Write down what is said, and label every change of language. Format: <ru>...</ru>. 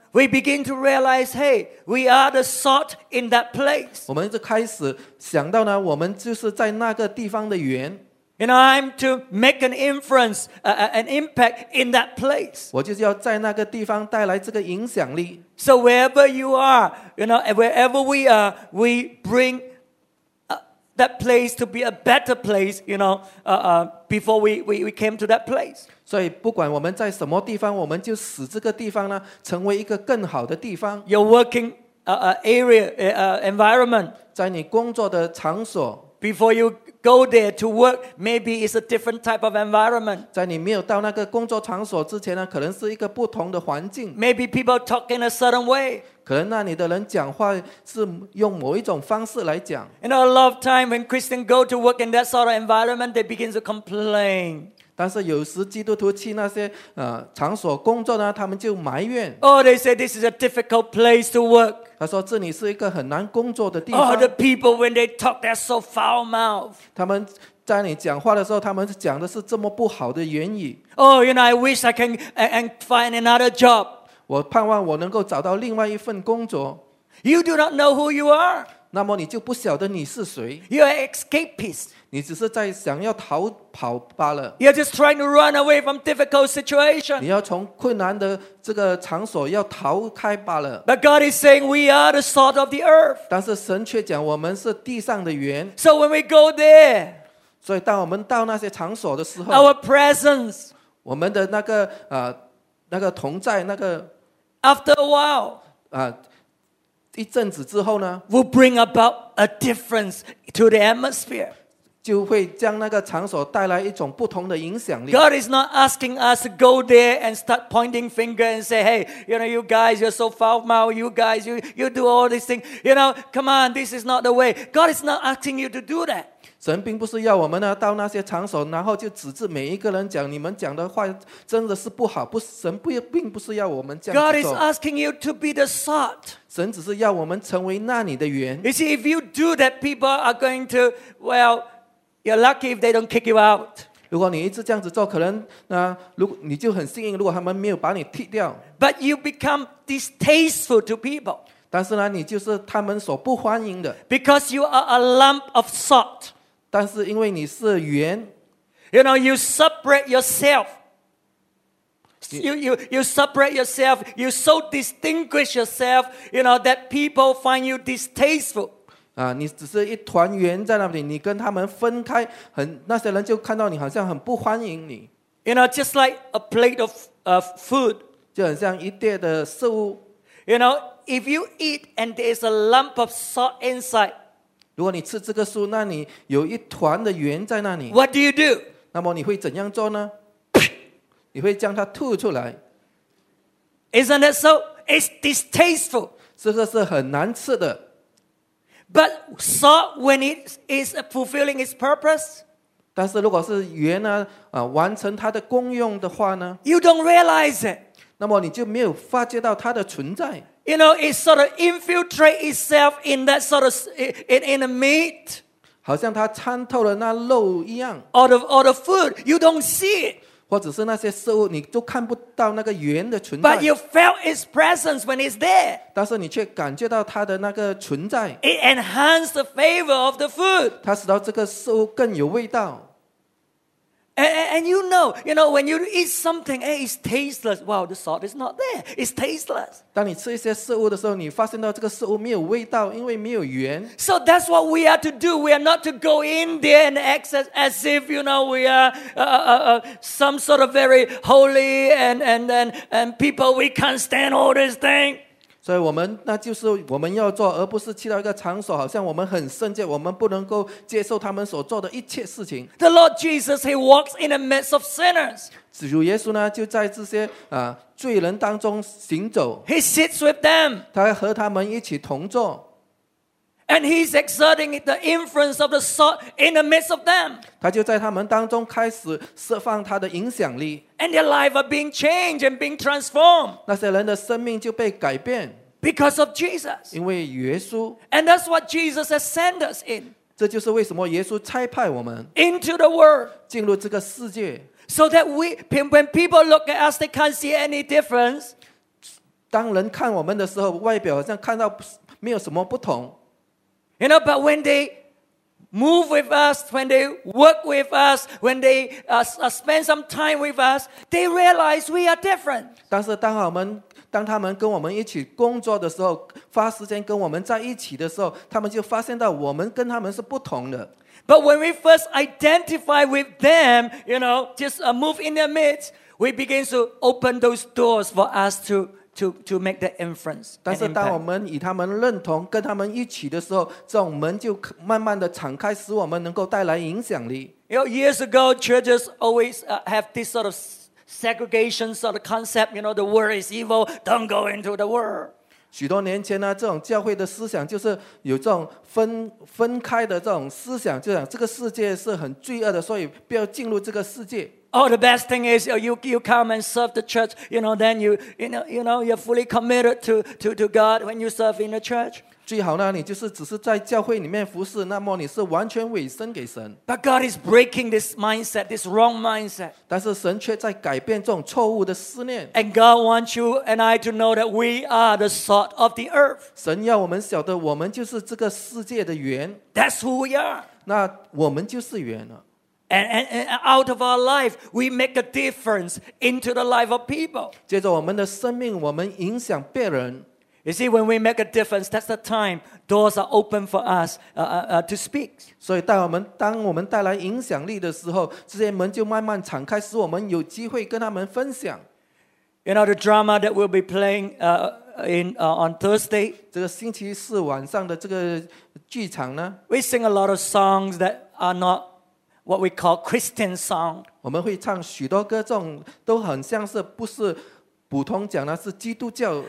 <en>We begin to realize, hey, we are the salt in that place.</en> <zh>我们就开始想到呢，我们就是在那个地方的盐。</zh> <en>You know, I'm to make an influence, an impact in that place.</en> <zh>我就是要在那个地方带来这个影响力。</zh> <en>So wherever you are, you know, wherever we are, we bring that place to be a better place, you know, before we came to that place.</en> <zh>所以不管我们在什么地方，我们就使这个地方呢成为一个更好的地方。</zh> <en>Your working area environment，</en> <zh>在你工作的场所。</zh> <en>Before you go there to work, maybe it's a different type of environment。</en> <zh>在你没有到那个工作场所之前呢，可能是一个不同的环境。</zh> <en>Maybe people talk in a certain way。</en> <zh>可能那里的人讲话是用某一种方式来讲。</zh> <en>You know, a lot of time when Christians go to work in that sort of environment, they begin to complain.</en> <zh>但是有时基督徒去那些场所工作呢，他们就埋怨。</zh> <en>Oh, they say this is a difficult place to work.</en> <zh>他说这里是一个很难工作的地方。</zh> <en>Oh, the people when they talk, they're so foul mouth.</en> <zh>他们在你讲话的时候，他们讲的是这么不好的言语。</zh> <en>Oh, you know, I wish I can and find another job.</en> <zh>我盼望我能够找到另外一份工作。</zh> <en>You do not know who you are.</en> <zh>那么你就不晓得你是谁。</zh> <en>You're an escapist.</en> <zh>你只是在想要逃跑罢了。</zh> <en>You're just trying to run away from difficult situation.</en> <zh>你要从困难的这个场所要逃开罢了。</zh> <en>But God is saying we are the salt of the earth.</en> <zh>但是神却讲我们是地上的盐。</zh> <en>So when we go there,</en> <zh>所以当我们到那些场所的时候</zh> <en>，our presence,</en> <zh>我们的那个同在那个</zh> <en>，after a while,</en> <zh>一阵子之后呢</zh> <en>，will bring about a difference to the atmosphere.</en> <zh>就会将那个场所带来一种不同的影响力。</zh> <en>God is not asking us to go there and start pointing finger and say, "Hey, you know, you guys, you're so foul mouth. You guys, you do all these things. You know, come on, this is not the way." God is not asking you to do that.</en> <zh>神并不是要我们呢到那些场所，然后就指着每一个人讲，你们讲的话真的是不好。不，神并不是要我们这样做。</zh> <en>God is asking you to be the salt.</en> <zh>神只是要我们成为那里的盐。</zh> <en>You see, if you do that, people are going to, well.You're lucky if they don't kick you out.</en> <zh>如果你一直这样子做，可能那如果你就很幸运，如果他们没有把你踢掉。</zh> <en>But you become distasteful to people.</en> <zh>但是呢，你就是他们所不欢迎的。</zh> <en>Because you are a lump of salt.</en> <zh>但是因为你是盐。</zh> <en>You know, you separate yourself. You separate yourself. You so distinguish yourself. You know that people find you distasteful.</en> <zh>啊，你只是一团圆在那里，你跟他们分开，很那些人就看到你好像很不欢迎你。</zh> <en>You know, just like a plate of food.</en> <zh>就很像一碟的食物。</zh> <en>You know, if you eat and there is a lump of salt inside.</en> <zh>如果你吃这个食物，那你有一团的盐在那里。</zh> <en>What do you do?</en> <zh>那么你会怎样做呢？你会将它吐出来。</zh> <en>Isn't that so? It's distasteful.</en> <zh>这个是很难吃的。</zh> <en>But salt, when it is fulfilling its purpose,</en> <zh>但是如果是盐呢、完成它的功用的话呢</zh> <en>？You don't realize it.</en> <zh>那么你就没有发觉到它的存在。</zh> <en>You know, it sort of infiltrate itself in that sort of in the meat.</en> <zh>好像它参透了那肉一样</zh> <en>all the food you don't see it</en> <zh>或者是那些食物你都看不到那个圆的存在</zh> <en>but you felt its presence when it's there</en> <zh>但是你却感觉到它的那个存在</zh> <en>it enhanced the flavor of the food</en> <zh>它使到这个食物更有味道</zh> <en>and you know when you eat something it's tasteless wow the salt is not there it's tasteless</en> <zh>当你吃一些食物的时候你发现到这个食物没有味道因为没有缘</zh> <en>So that's what we are to do. We are not to go in there and act as if, you know, we are some sort of very holy and people, we can't stand all this thing.</en> <zh>所以我们那就是我们要做而不是去到一个场所好像我们很圣洁我们不能够接受他们所做的一切事情</zh> <en>The Lord Jesus, he walks in the midst of sinners.</en> <zh>主耶稣呢就在这些、罪人当中行走</zh> <en>He sits with them</en> <zh>他和他们一起同坐</zh> <en>And he's exerting the influence of the salt in the midst of them</en> <zh>他就在他们当中开始释放他的影响力</zh> <en>And their lives are being changed and being transformed</en> <zh>那些人的生命就被改变</zh> <en>Because of Jesus</en> <zh>因为耶稣</zh> <en>And that's what Jesus has sent us in</en> <zh>这就是为什么耶稣差派我们</zh> <en>Into the world</en> <zh>进入这个世界</zh> <en>So that we, when people look at us, they can't see any difference.</en> <zh>当人看我们的时候，外表好像看到没有什么不同。</zh> <en>You know, but when they move with us, when they work with us, when they spend some time with us, they realize we are different.</en> <zh>但是当他们跟我们一起工作的时候，花时间跟我们在一起的时候，他们就发现到我们跟他们是不同的。</zh> <en>But when we first identify with them, you know, just move in their midst, we begin to open those doors for us to make the inference.</en> <zh>但是当我们与他们认同，跟他们一起的时候，这种门就慢慢的敞开，使我们能够带来影响力。</zh> <en>You know, years ago, churches always have this sort of segregation sort of concept. You know, the world is evil. Don't go into the world.</en> <zh>许多年前呢，这种教会的思想就是有这种分开的这种思想，就讲这个世界是很罪恶的，所以不要进入这个世界。</zh> <en>Oh, the best thing is you come and serve the church. You know, then you know you're fully committed to God when you serve in the church.</en> <zh>最好呢，你就是只是在教会里面服侍，那么你是完全委身给神。</zh> <en>But God is breaking this mindset, this wrong mindset.</en> <zh>但是神却在改变这种错误的思念。</zh> <en>And God wants you and I to know that we are the salt of the earth.</en> <zh>神要我们晓得，我们就是这个世界的盐。</zh> <en>That's who we are.</en> <zh>那我们就是盐了。</zh> <en>And out of our life, we make a difference into the life of people.</en> <zh>接着我们的生命，我们影响别人。</zh> <en>You see, when we make a difference, that's the time doors are open for us to speak.</en> <zh>所以当我们带来影响力的时候，这些门就慢慢敞开，使我们有机会跟他们分享。</zh> <en>You know the drama that we'll be playing on Thursday.</en> <zh>这个星期四晚上的这个剧场呢</zh> <en>？We sing a lot of songs that are not. What we call Christian song.</en> <zh>我们会唱许多歌，这种都很像是不是普通讲的，是基督教歌。</zh>